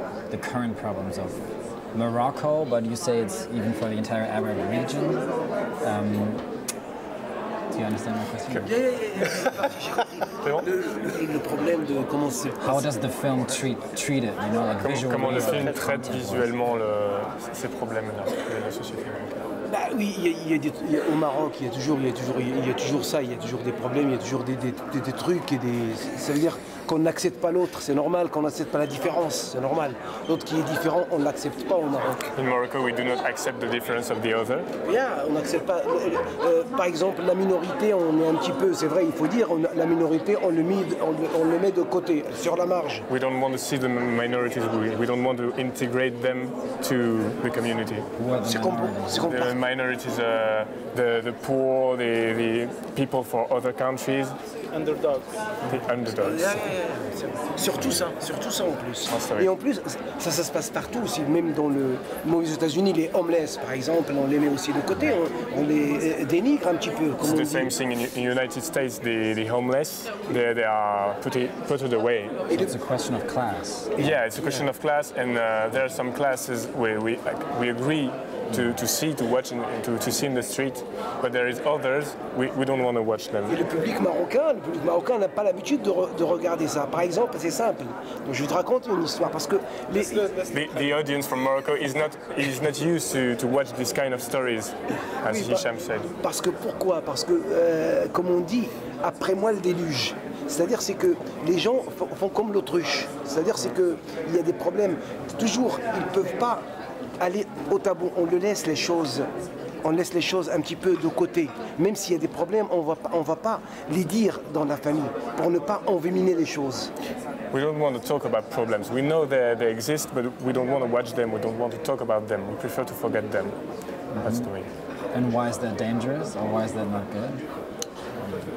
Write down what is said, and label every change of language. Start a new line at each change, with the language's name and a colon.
English: The current problems of Morocco, but you say it's even for the entire Arab region. Do you understand my question? Yeah. How does the film treat it, you know, like visually?
French: Comment le film traite visuellement ces problèmes-là de la société marocaine? Bah oui, au Maroc, il y a toujours ça, il y a toujours des problèmes, il y a toujours des trucs et des. Ça veut dire qu'on n'accepte pas l'autre, c'est normal, qu'on n'accepte pas la différence, c'est normal. L'autre qui est différent, on ne l'accepte pas au Maroc.
English: In Morocco, we do not accept the difference of the other.
French: Yeah, on n'accepte pas. Par exemple, la minorité, on est un petit peu, c'est vrai, il faut dire, la minorité, on le met de côté, sur la marge.
English: We don't want to see the minorities, we don't want to integrate them to the community.
French: C'est compliqué.
English: The minorities, the poor, the people from other countries. Underdogs.
French: Surtout ça en plus. Oh, et en plus, ça se passe partout aussi, même dans le monde des États-Unis, les homeless, par exemple, on les met aussi de côté, on les dénigre un petit peu.
English: It's the same thing in the United States, the homeless, they are put away. So it's a question of class. Yeah, it's a question of class, and there are some classes where we agree to see, to watch, to see in the street, but there is others we don't want to watch them.
French: Et le public marocain n'a pas l'habitude de regarder ça. Par exemple, c'est simple. Donc, je vais te raconter une histoire parce que
English: the audience from Morocco is not used to watch this kind of stories, as oui, Hicham said.
French: Parce que pourquoi? Parce que comme on dit, après moi le déluge. C'est-à-dire c'est que les gens font comme l'autruche. C'est-à-dire c'est que il y a des problèmes. Toujours, ils peuvent pas. Aller au tabou, on laisse les choses un petit peu de côté. Même s'il y a des problèmes, on va pas les dire dans la famille pour ne pas envenimer les choses.
English: We don't want to talk about problems. We know they exist, but we don't want to watch them. We don't want to talk about them. We prefer to forget them. Mm-hmm. That's the way. And why is that dangerous or why is that not good?